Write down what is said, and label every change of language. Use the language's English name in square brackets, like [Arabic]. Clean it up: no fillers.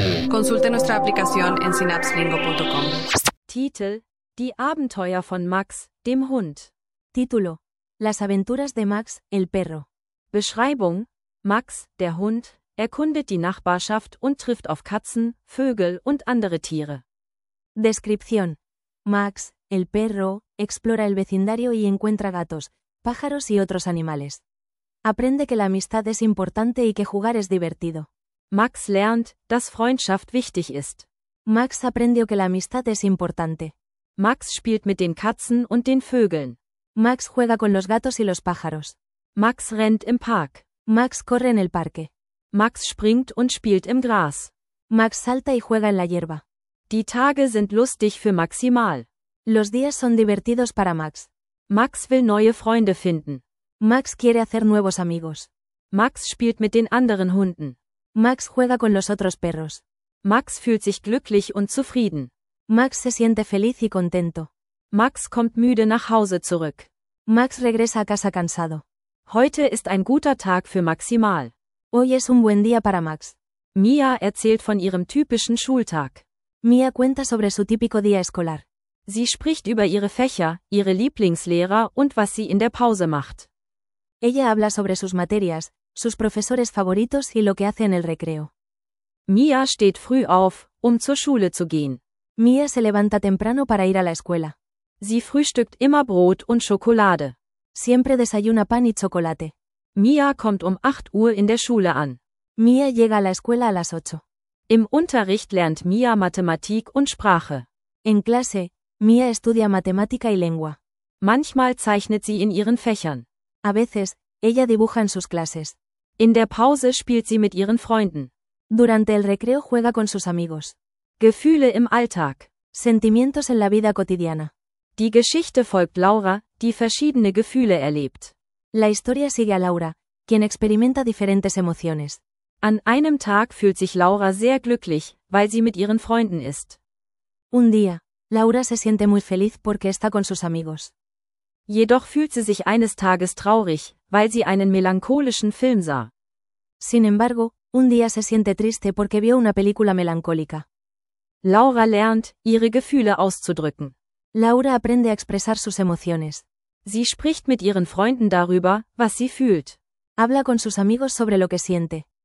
[Spanish] Consulte nuestra aplicación en synapselingo.com. [German] Titel: Die Abenteuer von Max, dem Hund. [Spanish] Título: Las aventuras de Max, el perro. [German] Beschreibung: Max, der Hund, erkundet die Nachbarschaft und trifft auf Katzen, Vögel und andere Tiere. [Spanish] Descripción: Max, el perro, explora el vecindario y encuentra gatos, pájaros y otros animales. Aprende que la amistad es importante y que jugar es divertido. [German] Max lernt, dass Freundschaft wichtig ist. [Spanish] Max aprendió que la amistad es importante. [German] Max spielt mit den Katzen und den Vögeln. [Spanish] Max juega con los gatos y los pájaros. [German] Max rennt im Park. [Spanish] Max corre en el parque. [German] Max springt und spielt im Gras. [Spanish] Max salta y juega en la hierba. [German] Die Tage sind lustig für Maximal. [Spanish] Los días son divertidos para Max. [German] Max will neue Freunde finden. [Spanish] Max quiere hacer nuevos amigos. [German] Max spielt mit den anderen Hunden. [Spanish] Max juega con los otros perros. [German] Max fühlt sich glücklich und zufrieden. [Spanish] Max se siente feliz y contento. [German] Max kommt müde nach Hause zurück. [Spanish] Max regresa a casa cansado. [German] Heute ist ein guter Tag für Maximal. [Spanish] Hoy es un buen día para Max. [German] Mia erzählt von ihrem typischen Schultag. [Spanish] Mia cuenta sobre su típico día escolar. [German] Sie spricht über ihre Fächer, ihre Lieblingslehrer und was sie in der Pause macht. [Spanish] Ella habla sobre sus materias, sus profesores favoritos y lo que hace en el recreo. [German] Mia steht früh auf, um zur Schule zu gehen. [Spanish] Mia se levanta temprano para ir a la escuela. [German] Sie frühstückt immer Brot und Schokolade. [Spanish] Siempre desayuna pan y chocolate. [German] Mia kommt um 8 Uhr in der Schule an. [Spanish] Mia llega a la escuela a las 8. [German] Im Unterricht lernt Mia Mathematik und Sprache. [Spanish] En clase, Mia estudia matemática y lengua. [German] Manchmal zeichnet sie in ihren Fächern. [Spanish] A veces, ella dibuja en sus clases. [German] In der Pause spielt sie mit ihren Freunden. [Spanish] Durante el recreo juega con sus amigos. [German] Gefühle im Alltag. [Spanish] Sentimientos en la vida cotidiana. [German] Die Geschichte folgt Laura, die verschiedene Gefühle erlebt. [Spanish] La historia sigue a Laura, quien experimenta diferentes emociones. [German] An einem Tag fühlt sich Laura sehr glücklich, weil sie mit ihren Freunden ist. [Spanish] Un día, Laura se siente muy feliz porque está con sus amigos. [German] Jedoch fühlt sie sich eines Tages traurig, weil sie einen melancholischen Film sah. [Spanish] Sin embargo, un día se siente triste porque vio una película melancólica. [German] Laura lernt, ihre Gefühle auszudrücken. [Spanish] Laura aprende a expresar sus emociones. [German] Sie spricht mit ihren Freunden darüber, was sie fühlt. [Spanish] Habla con sus amigos sobre lo que siente.